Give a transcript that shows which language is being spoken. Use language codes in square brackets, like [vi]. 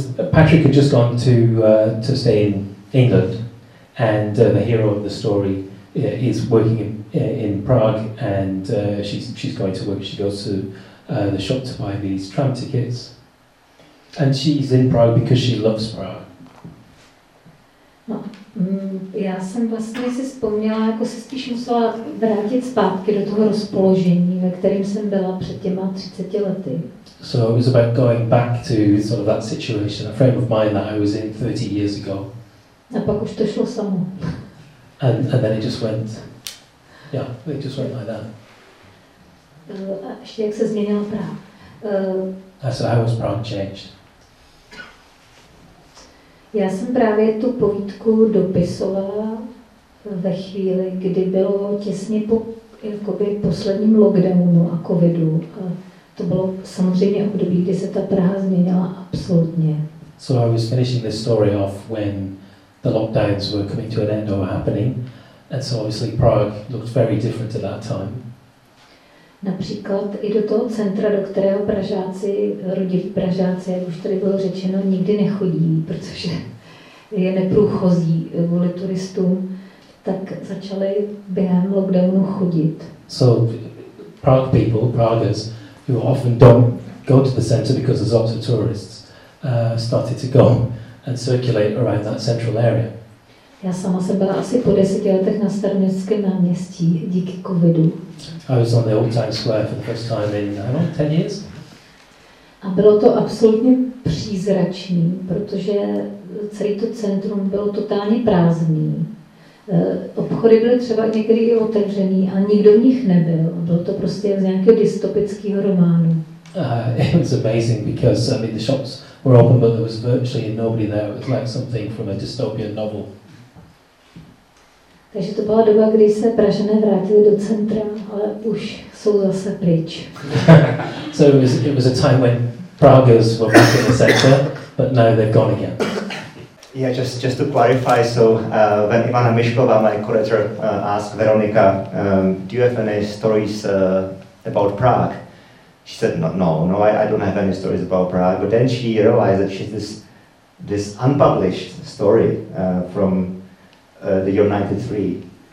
[en] Patrick had just gone to stay in England, and the hero of the story is working in Prague, and she's going to work. She goes to the shop to buy these tram tickets, and she's in Prague because she loves Prague. [cs] No, já jsem vlastně si vzpomněla, jako se spíš musela vrátit zpátky do toho rozpoložení, ve kterém jsem byla před těma 30 lety. [en] So it was about going back to sort of that situation, a frame of mind that I was in 30 years ago. [cs] A pak už to šlo samo. [en] And then it just went like that. [cs] A ještě jak se změnila Praha. [en] So how has Prague changed? [cs] Já jsem právě tu povídku dopisovala ve chvíli, kdy bylo těsně po jakoby posledním lockdownu a covidu. A to bylo samozřejmě období, kdy se ta Praha změnila absolutně. [en] So I was finishing this story off when the lockdowns were coming to an end or happening. And so obviously Prague looked very different at that time. [cs] Například i do toho centra, do kterého Pražáci, rodiví Pražáci, jak už tady bylo řečeno, nikdy nechodí, protože je neprůchozí kvůli turistům, tak začali během lockdownu chodit. [en] So Prague people, Pragers, who often don't go to the center because there's lots of tourists, started to go and circulate around that central area. [cs] Já sama jsem byla asi po 10 letech na Staroměstském náměstí díky covidu. [en] I was on the old Times Square for the first time in, I don't know, 10 years. [cs] A bylo to absolutně přízračný, protože celý to centrum bylo totálně prázdný. Obchody byly třeba někdy i otevřený a nikdo v nich nebyl. Bylo to prostě z nějakého dystopického románu. [en] It was amazing because I mean the shops were open but there was virtually nobody there. It was like something from a dystopian novel. [cs] Takže to byla doba, kdy se Pražané vrátili do centra, ale už jsou zase pryč. [en] So it was a time when Pragers were back in the center, but now they've gone again. Yeah, just to clarify, so when Ivana Mišková, my curator, asked Veronika, do you have any stories about Prague? She said, no, I don't have any stories about Prague. But then she realized that she's this unpublished story from the year 93.